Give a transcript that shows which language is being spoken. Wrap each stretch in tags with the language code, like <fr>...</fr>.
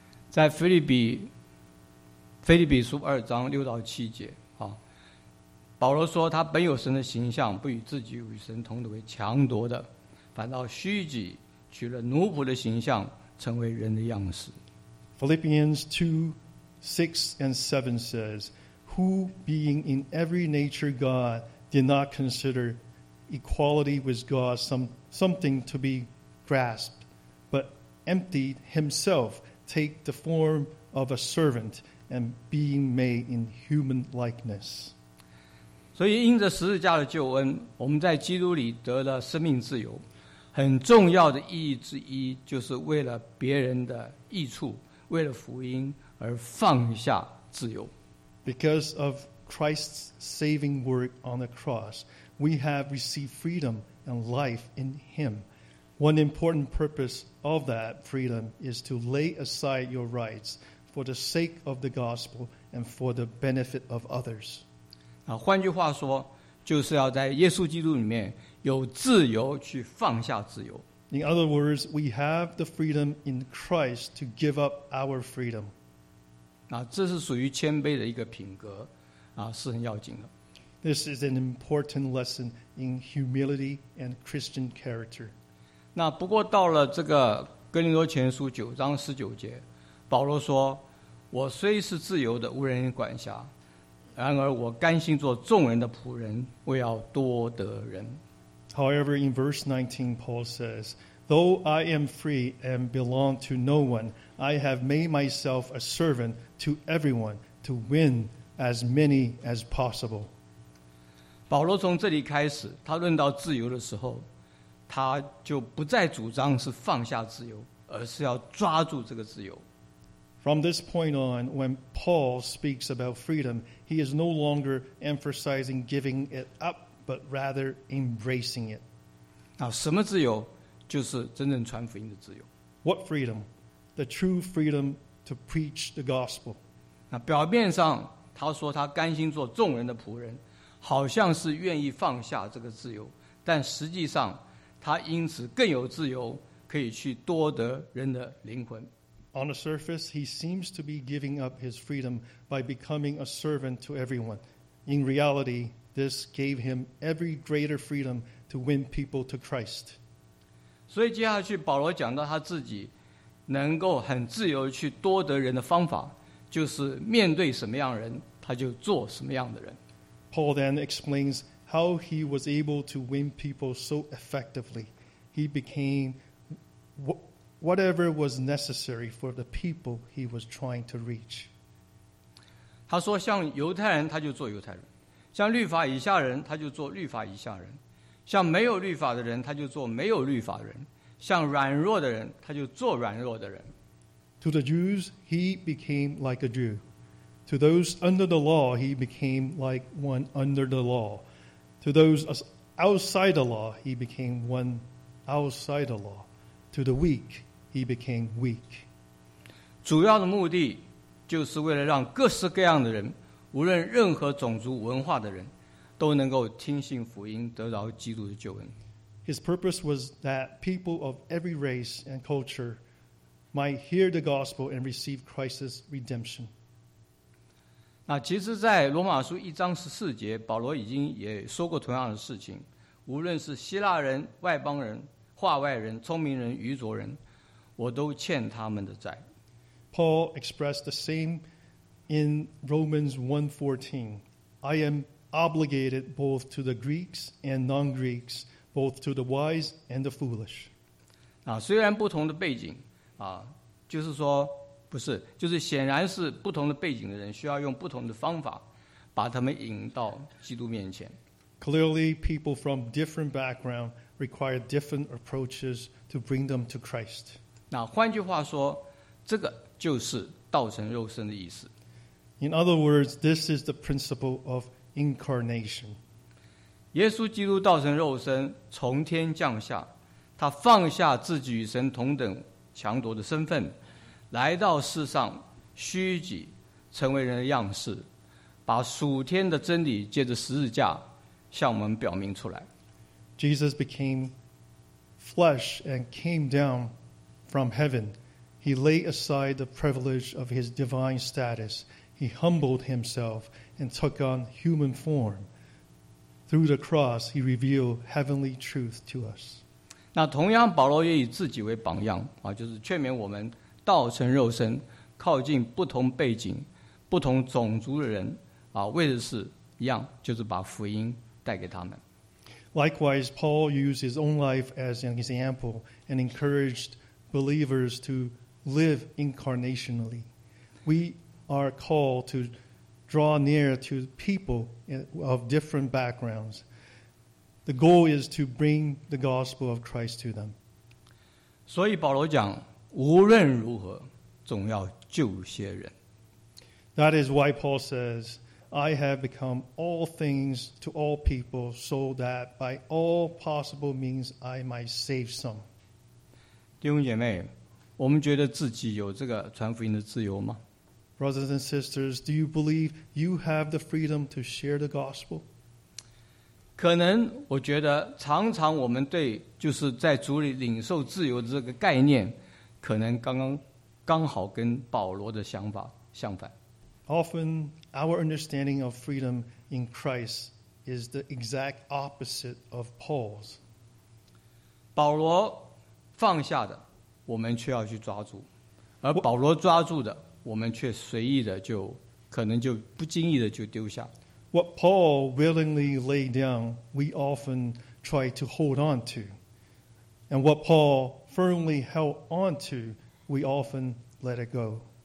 <zh>在腓立比书二章六到七节，保罗说他本有神的形象，不与自己与神同等为强夺的，反倒虚己，取了奴仆的形象，成为人的样式。</zh> <en>Philippians 2:6 and 7 says,who being in every nature God did not consider equality with God something to be grasped, but emptied himself, take the form of a servant and being made in human likeness.</en> <zh>所以因着十字架的救恩，我们在基督里得了生命自由，很重要的意义之一，就是为了别人的益处，为了福音而放下自由。</zh> <en>Because of Christ's saving work on the cross, we have received freedom and life in Him. One important purpose of that freedom is to lay aside your rights for the sake of the gospel and for the benefit of others.</en> <zh>换句话说，就是要在耶稣基督里面有自由去放下自由。</zh> <en>In other words, we have the freedom in Christ to give up our freedom.</en> <zh>这是属于谦卑的一个品格，是很要紧的。</zh> <en>This is an important lesson in humility and Christian character.</en> <zh>那不过到了这个哥林多前书九章十九节，保罗说：“我虽是自由的，无人管辖；然而我甘心做众人的仆人，为要多得人。”</zh> <en>However, in verse 19, Paul says, "Though I am free and belong to no one, I have made myself a servant." To everyone, to win as many as possible.</en> <zh>保罗从这里开始，他论到自由的时候，他就不再主张是放下自由，而是要抓住这个自由。</zh> <en>From this point on, when Paul speaks about freedom, he is no longer emphasizing giving it up, but rather embracing it.</en> <zh>什么自由？就是真正传福音的自由。</zh> <en>What freedom? The true freedom. To preach the gospel.</en> <zh>那表面上他说他甘心做众人的仆人，好像是愿意放下这个自由，但实际上他因此更有自由，可以去多得人的灵魂。</zh> <en>On the surface, he seems to be giving up his freedom by becoming a servant to everyone. In reality, this gave him every greater freedom to win people to Christ.</en> <zh>所以接下去保罗讲到他自己能够很自由去多得人的方法，就是面对什么样的人，他就做什么样的人。</zh> <en>Paul then explains how he was able to win people so effectively. He became whatever was necessary for the people he was trying to reach.</en> <zh>他说，像犹太人，他就做犹太人；像律法以下人，他就做律法以下人；像没有律法的人，他就做没有律法的人。像软弱的人，他就做软弱的人。</zh> <en>To the Jews, he became like a Jew. To those under the law, he became like one under the law. To those outside the law, he became one outside the law. To the weak, he became weak.</en> <zh>主要的目的就是为了让各式各样的人，无论任何种族文化的人，都能够听信福音，得到基督的救恩。</zh> <en>His purpose was that people of every race and culture might hear the gospel and receive Christ's redemption.</en> <zh>那其实在罗马书一章十四节，保罗已经也说过同样的事情，无论是希腊人、外邦人、化外人、聪明人、愚拙人，我都欠他们的债。</zh> <en>Paul expressed the same in Romans 1:14. I am obligated both to the Greeks and non-Greeks, both to the wise and the foolish.</en> <zh>啊，虽然不同的背景，啊，就是说，不是，就是显然是不同的背景的人，需要用不同的方法把他们引到基督面前。</zh> <en>Clearly, people from different backgrounds require different approaches to bring them to Christ.</en> <zh>那换句话说，这个就是道成肉身的意思。</zh> <en>In other words, this is the principle of incarnation.</en> <zh>耶稣基督道成肉身，从天降下，他放下自己与神同等强夺的身份，来到世上虚己，成为人的样式，把属天的真理借着十字架向我们表明出来。</zh> <en>Jesus became flesh and came down from heaven. He laid aside the privilege of his divine status. He humbled himself and took on human form. Through the cross, he revealed heavenly truth to us.</en> <zh>那同样，保罗也以自己为榜样啊，就是劝勉我们道成肉身，靠近不同背景、不同种族的人啊，为的是一样，就是把福音带给他们。</zh> <en>Likewise, Paul used his own life as an example and encouraged believers to live incarnationally. We are called to draw near to people of different backgrounds. The goal is to bring the gospel of Christ to them.</en> <zh>所以保罗讲，无论如何，总要救些人。</zh> <en>That is why Paul says,I have become all things to all people so that by all possible means I might save some.</en> <zh>弟兄姐妹，我们觉得自己有这个传福音的自由吗？</zh> <en>Brothers and sisters, do you believe you have the freedom to share the gospel?</en> <zh>可能我觉得常常我们对就是在主里领受自由的这个概念，可能刚好跟保罗的想法相反。</zh> <en>Often, our understanding of freedom in Christ is the exact opposite of Paul's.</en> <zh>保罗放下的，我们却要去抓住；而保罗抓住的，我们却随意的就，可能就不经意的就丢下。</zh> <en>What Paul willingly laid down, we often try to hold on to. And what Paul firmly held on to, we often let it go.</en>